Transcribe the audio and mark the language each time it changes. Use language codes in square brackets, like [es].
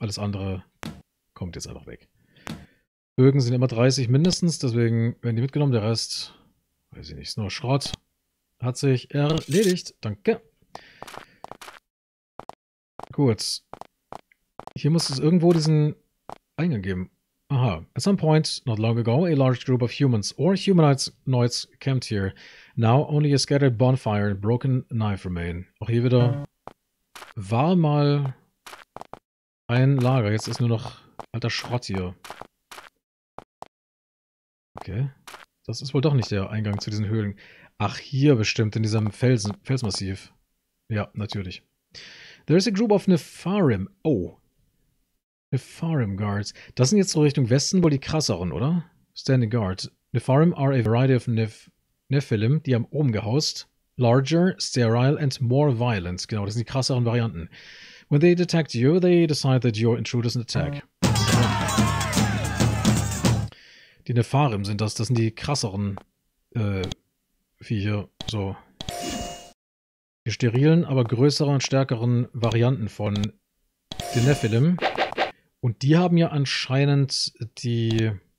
[de] Alles andere kommt jetzt einfach weg. Bögen sind immer 30 mindestens, deswegen werden die mitgenommen. Der Rest, weiß ich nicht, ist nur Schrott. Hat sich erledigt. Danke. Gut. Hier muss es irgendwo diesen Eingang geben. Aha. [en] At some point, not long ago, a large group of humans or humanoids camped here. Now only a scattered bonfire and broken knife remain. [de] Auch hier wieder war mal ein Lager. Jetzt ist nur noch alter Schrott hier. Okay. Das ist wohl doch nicht der Eingang zu diesen Höhlen. Ach, hier bestimmt, in diesem Felsmassiv. Ja, natürlich. [en] There is a group of Nefarim. Oh. Nefarim Guards. [de] Das sind jetzt so Richtung Westen wohl die krasseren, oder? [en] Standing Guard. Nefarim are a variety of Nephilim, [de] die haben oben gehaust. [en] Larger, sterile and more violent. [de] Genau, das sind die krasseren Varianten. [en] When they detect you, they decide that your intruder is an attack. [de] Die Nefarim sind das. Das sind die krasseren Viecher. So. sterilen, aber größeren und stärkeren Varianten von den Nephilim. Und die haben ja anscheinend die...